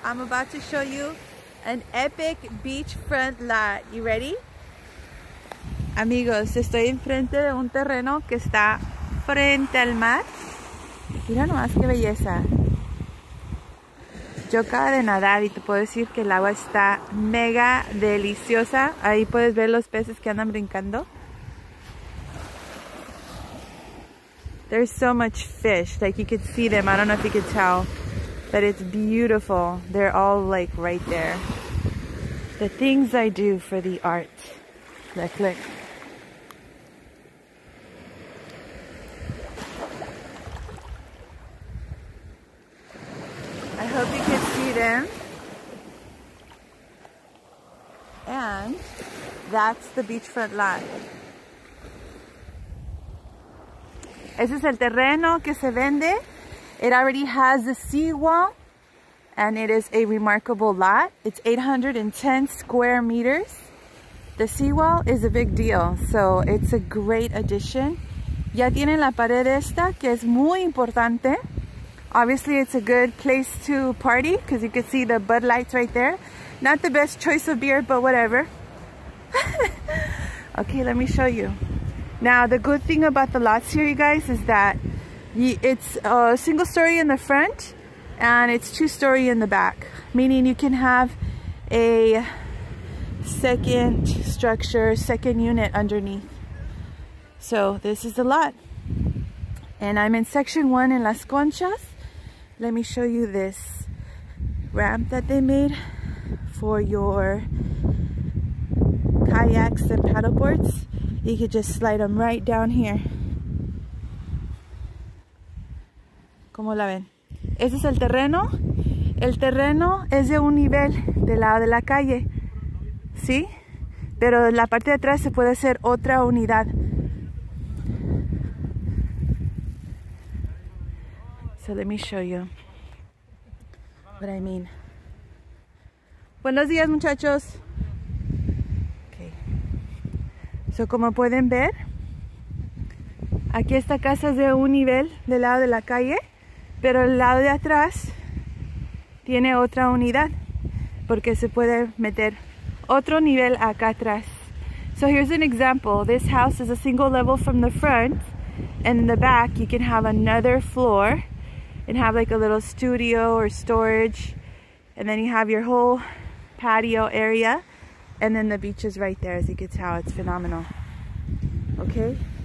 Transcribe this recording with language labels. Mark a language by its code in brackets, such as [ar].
[en] I'm about to show you an epic beachfront lot. You ready? [es] Amigos, estoy enfrente de un terreno que está frente al mar. Mira nomás qué belleza. Yo acabo de nadar y te puedo decir que el agua está mega deliciosa. Ahí puedes ver los peces que andan brincando. [en] There's so much fish, like you could see them. I don't know if you could tell, but it's beautiful. They're all like right there. The things I do for the art. Look, look. I hope you can see them. And that's the beachfront lot. [es] Ese es el terreno que se vende. [en] It already has a seawall and it is a remarkable lot. It's 810 square meters. The seawall is a big deal, so it's a great addition. [es] Ya tienen la pared esta que es muy importante. [en] Obviously it's a good place to party because you can see the Bud Lights right there. Not the best choice of beer, but whatever. Okay, let me show you. Now, the good thing about the lots here, you guys, is that it's a single story in the front and it's two story in the back, meaning you can have a second structure, second unit underneath. So this is the lot. And I'm in section one in Las Conchas. Let me show you this ramp that they made for your kayaks and paddle boards. You could just slide them right down here. [es] ¿Cómo la ven? Ese es el terreno. El terreno es de un nivel del lado de la calle. ¿Sí? Pero en la parte de atrás se puede hacer otra unidad. [en] So let me show you what I mean. [es] Buenos días, muchachos. So, como pueden ver, aquí esta casa es de un nivel del lado de la calle, pero el lado de atrás tiene otra unidad porque se puede meter otro nivel acá atrás. [en] So here's an example. This house is a single level from the front, and in the back you can have another floor and have like a little studio or storage, and then you have your whole patio area. And then the beach is right there, as you can tell, it's phenomenal. Okay?